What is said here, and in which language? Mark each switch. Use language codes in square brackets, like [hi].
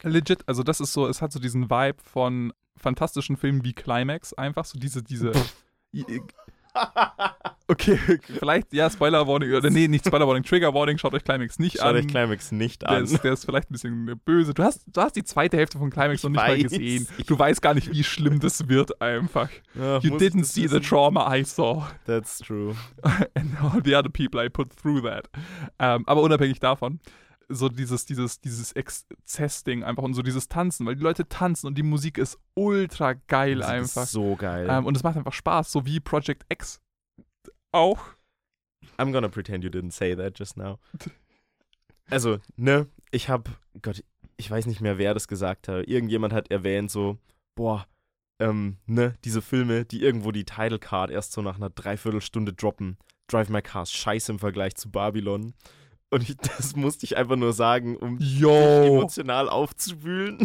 [de] Legit, also das ist so, es hat so diesen Vibe von fantastischen Filmen wie Climax einfach, so diese okay, vielleicht, ja, Spoiler Warning, oder nee, nicht Spoiler Warning, Trigger Warning, schaut euch Climax nicht schaut an. Schaut euch Climax nicht an. Der ist vielleicht ein bisschen böse. Du hast die zweite Hälfte von Climax noch nicht mal gesehen. Du weißt gar nicht, wie schlimm das wird einfach. [en] Ja, you didn't see the trauma I saw. That's true. And all the other people I put through that. [de] Aber unabhängig davon, so dieses Exzess-Ding einfach und so dieses Tanzen, weil die Leute tanzen und die Musik ist ultra geil einfach. So geil. Und es macht einfach Spaß, so wie Project X auch. [en] I'm gonna pretend you didn't say that just now. [de] Also, ne, ich hab, Gott, ich weiß nicht mehr, wer das gesagt hat. Irgendjemand hat erwähnt so, boah, ne, diese Filme, die irgendwo die Title Card erst so nach einer Dreiviertelstunde droppen. Drive My Car ist scheiße im Vergleich zu Babylon. Und das musste ich einfach nur sagen, um emotional aufzuwühlen.